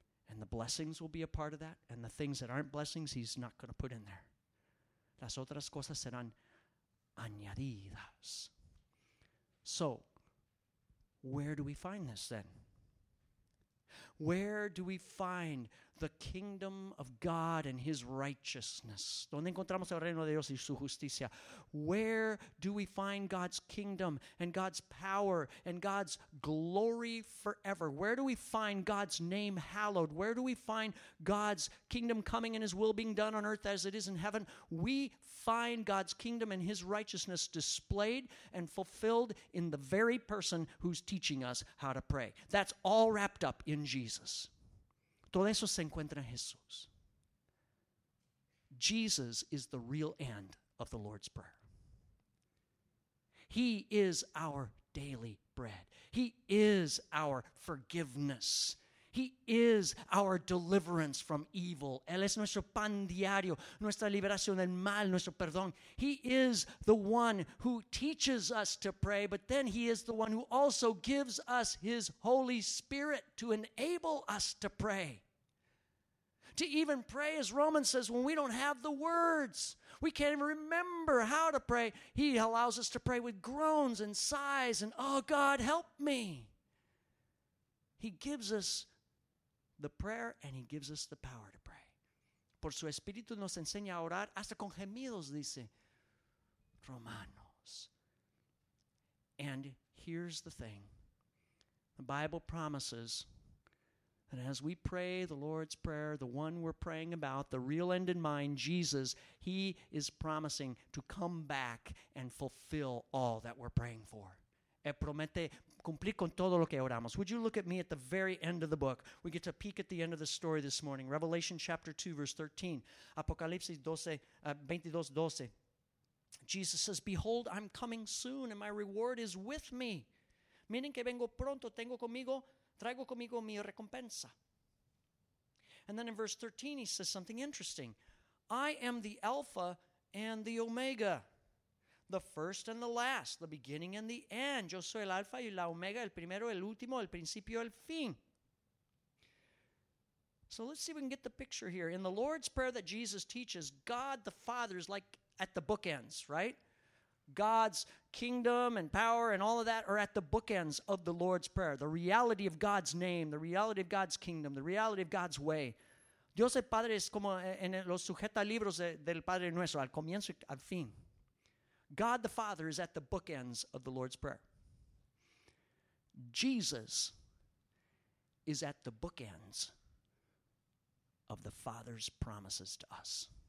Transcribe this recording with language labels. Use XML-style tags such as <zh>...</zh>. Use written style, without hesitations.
<en>And the blessings will be a part of that. And the things that aren't blessings, he's not going to put in there.</en> <es>Las otras cosas serán añadidas.</es> <en>So, where do we find this then? Where do we find the kingdom of God and his righteousness?</en> <es>¿Dónde encontramos el reino de Dios y su justicia?</es> <en>Where do we find God's kingdom and God's power and God's glory forever? Where do we find God's name hallowed? Where do we find God's kingdom coming and his will being done on earth as it is in heaven? We find God's kingdom and his righteousness displayed and fulfilled in the very person who's teaching us how to pray. That's all wrapped up in Jesus.</en> <es>Todo eso se encuentra en Jesús.</es> <en>Jesus is the real end of the Lord's Prayer. He is our daily bread. He is our forgiveness. He is our deliverance from evil.</en> <es>Él es nuestro pan diario, nuestra liberación del mal, nuestro perdón.</es> <en>He is the one who teaches us to pray, but then he is the one who also gives us his Holy Spirit to enable us to pray. To even pray, as Romans says, when we don't have the words, we can't even remember how to pray. He allows us to pray with groans and sighs and, oh God, help me. He gives us the prayer and he gives us the power to pray.</en> <es>Por su espíritu nos enseña a orar hasta con gemidos, dice Romanos.</es> <en>And here's the thing. The Bible promises that as we pray the Lord's Prayer, the one we're praying about, the real end in mind, Jesus, he is promising to come back and fulfill all that we're praying for.</en> <es>Él promete cumplir con todo lo que oramos.</es> <en>Would you look at me at the very end of the book? We get to peek at the end of the story this morning. Revelation chapter 2, verse 13. Apocalipsis 22:12. Jesus says, behold, I'm coming soon, and my reward is with me.</en> <es>Miren que vengo pronto, tengo conmigo. Traigo conmigo mi recompensa.</es> <en>And then in verse 13, he says something interesting. I am the Alpha and the Omega, the first and the last, the beginning and the end.</en> <es>Yo soy el Alpha y la Omega, el primero, el último, el principio, el fin.</es> <en>So let's see if we can get the picture here. In the Lord's Prayer that Jesus teaches, God the Father is like at the bookends, right? God's kingdom and power and all of that are at the bookends of the Lord's Prayer. The reality of God's name, the reality of God's kingdom, the reality of God's way.</en> <es>Dios el Padre es como en los sujeta libros del Padre Nuestro, al comienzo y al fin.</es> <en>God the Father is at the bookends of the Lord's Prayer. Jesus is at the bookends of the Father's promises to us.</en>